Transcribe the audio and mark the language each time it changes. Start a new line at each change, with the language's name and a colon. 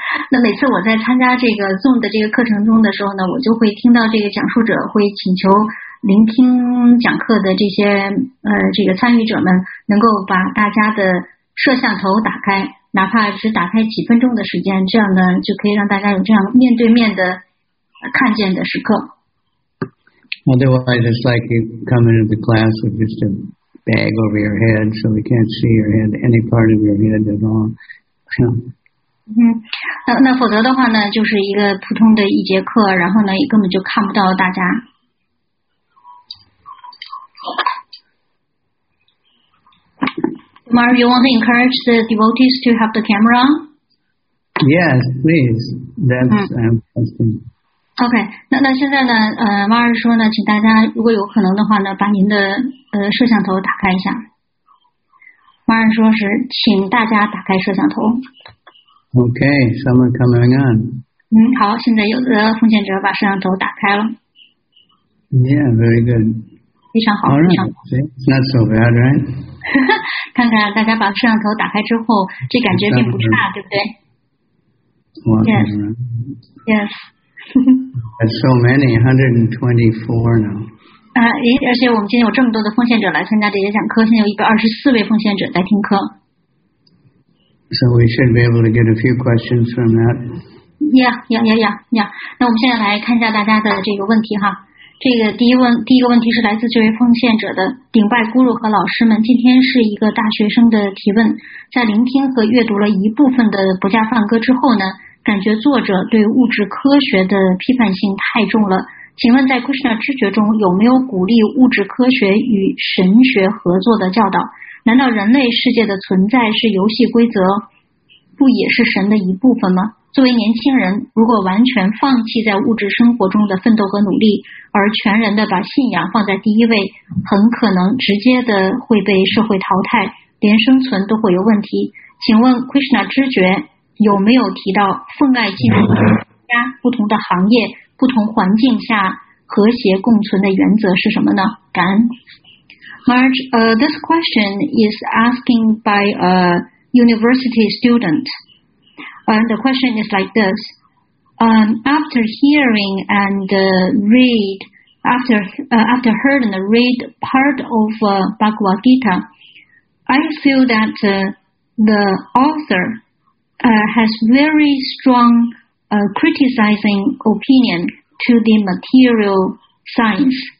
Chinese: 那每次我在参加这个 Zoom 的这个课程中的时候呢，我就会听到这个讲述者会请求聆听讲课的这些这个参与者们能够把大家的摄像头打开，哪怕只打开几分钟的时间，这样呢就可以让大家有这样面对面的看见的时刻。
English: Otherwise, it's like you come into the class with just a bag over your head, so we can't see your head, any part of your head at all.
Chinese: 那否则的话呢，就是一个普通的一节课，然后呢也根本就看不到大家。
English: Mark, you want to encourage the devotees to have the camera? Yes, please. That's
Chinese: Okay. 那现在呢？ Mark 说呢，请大家如果有可能的话呢，把您的摄像头打开一下。 Mark 说是，请大家打开摄像头。
English: Okay, someone coming on.
Chinese: 好，现在有的奉献者把摄像头打开了。
English: Yeah, very good.
Chinese: 非常好。
English: Alright, it's not so bad, right?
Chinese: 看看大家把摄像头打开之后，这感觉并不差，对不对
English: ？Yes. That's so many, 124 now.
Chinese: 而且我们今天有这么多的奉献者来参加这些讲课，现在有124位奉献者在听课。
English: So we should be able to get a few questions from that. Yeah.
Chinese: 那我们现在来看一下大家的这个问题哈。这个第一个问题是来自这位奉献者的顶拜咕噜和老师们，今天是一个大学生的提问，在聆听和阅读了一部分的《不加梵歌》之后呢，感觉作者对物质科学的批判性太重了，请问在 Krishna 知觉中有没有鼓励物质科学与神学合作的教导？难道人类世界的存在是游戏规则，不也是神的一部分吗？作为年轻人，如果完全放弃在物质生活中的奋斗和努力，而全然的把信仰放在第一位，很可能直接的会被社会淘汰，连生存都会有问题。请问 Krishna 知觉有没有提到奉爱进入不同的行业、不同环境下和谐共存的原则是什么呢？感恩。
English: Marge, this question is asking by a university student. And the question is like this, after hearing and read part of Bhagavad Gita, I feel that the author has very strong criticizing opinion to the material science.